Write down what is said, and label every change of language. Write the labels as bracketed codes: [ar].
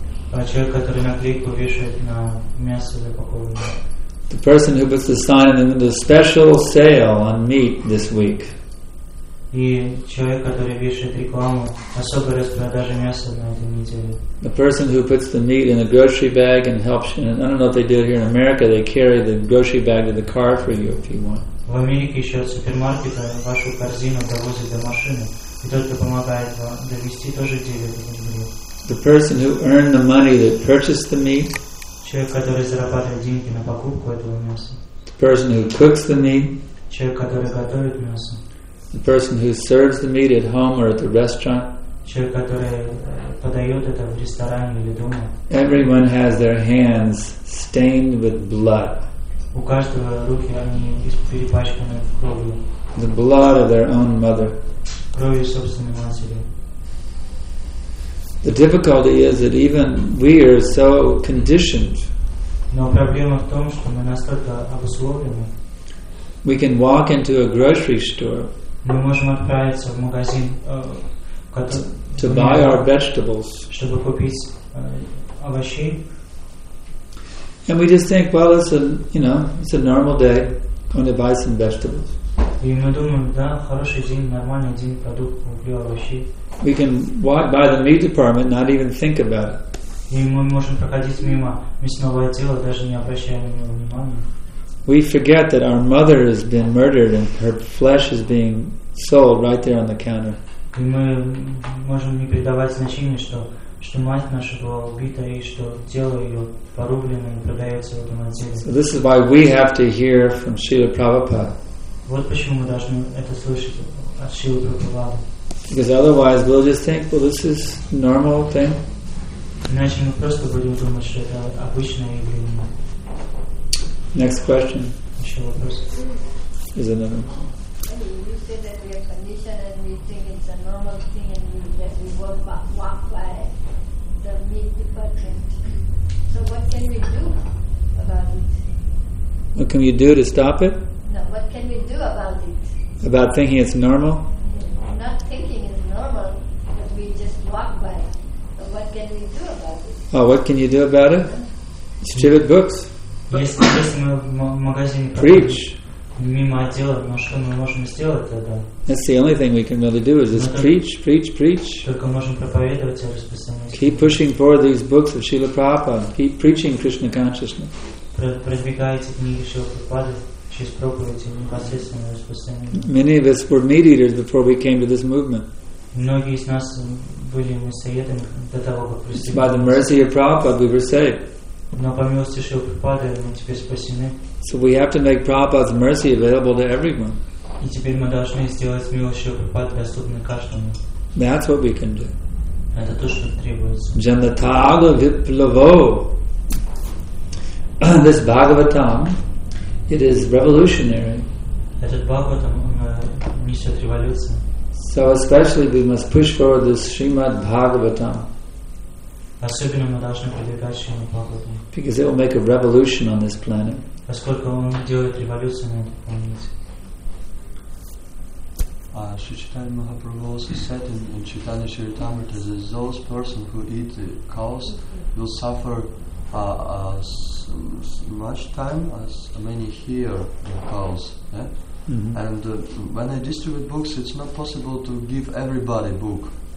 [en] The person who puts the sign in the window, special sale on meat this week. The person who puts the meat in a grocery bag and helps you, and I don't know if they do it here in America, they carry the grocery bag to the car for you if you want. [ru] В Америке ещё от супермаркета вашу корзину довозят до машины, и тот, кто помогает вам довезти, тоже делит. [en] The person who earned the money that purchased the meat. [ru] Человек, который зарабатывает деньги на покупку этого мяса. [en] The person who cooks the meat. [ru] Человек, который готовит мясо. [en] The person who serves the meat at home or at the restaurant. [ru] Человек, который подает это в ресторане или дома. [en] Everyone has their hands stained with blood. [ru] У каждого руки они перепачканы кровью. [en] The blood of their own mother. [ru] Кровью собственной матери. [en] The difficulty is that even we are so conditioned. [ru] Но проблема в том, что мы настолько обусловлены. [en] We can walk into a grocery store. [ru] Мы можем отправиться в магазин, [en] to buy our vegetables. [ru] Чтобы купить овощи. [en] And we just think, well, it's a normal day. I'm going to buy some vegetables. [ru] И мы думаем, да, хороший день, нормальный день, продукт, купил овощи. [en] We can walk by the meat department, not even think about it. [ru] И мы можем проходить мимо мясного отдела, даже не обращая на него внимания. [en] We forget that our mother has been murdered and her flesh is being sold right there on the counter. [ru] И мы можем не придавать значения, что мать наша была убита и что тело ее порублено и продается в этом отделе. [en] So this is why we have to hear from Srila Prabhupada. [ru] Вот почему мы должны это слышать от Шрилы Прабхупады. [en] Because otherwise we'll just think, well, this is a normal thing. [ru] Иначе мы просто будем думать, что это обычное явление. [en] Next question. [ru] Еще вопрос. [en] Is another one. You say that we are conditioned and we think it's a normal thing and that we walk by the meat department. So what can we do about it? What can you do to stop it? No, what can we do about it? About thinking it's normal? Not thinking it's normal, but we just walk by it. So what can we do about it? Oh, what can you do about it? Distribute books. [ru] Если мы в магазине проходим мимо отдела, но что мы можем сделать тогда? [en] That's the only thing we can really do is just preach, preach, preach. [ru] Только можем проповедовать и распространять. [en] Keep pushing forward these books of Srila Prabhupada. Keep preaching Krishna consciousness. [ru] Продвигайте книги Шрилы Прабхупады через проповедь и непосредственное распространение. [en] Many of us were meat eaters before we came to this movement. [ru] Многие из нас были несоедены до того, как пришли. [en] By the mercy of Prabhupada, we were saved. [ru] Но по милости Шрилы Прабхупады мы теперь спасены. [en] So we have to make Prabhupada's mercy available to everyone. [ru] И теперь мы должны сделать милость Шрилы Прабхупады доступной каждому. [en] That's what we can do. [ru] Это то, что требуется. [en] Janataga Viplavo. This Bhagavatam, it is revolutionary. [ru] Этот Бхагаватам несет революцию. [en] So especially we must push forward this Srimad Bhagavatam. [ru] Особенно мы должны продвигать Srimad Bhagavatam. [en] Because it will make a revolution on this planet. [ru] Поскольку он делает революцию на этой планете. [en] Шри Чайтанья Махапрабху also said in Chaitanya Charitamrita that those persons who eat the cows will suffer as much time as many hear the cows. Yeah? Mm-hmm. And when I distribute books, it's not possible to give everybody book.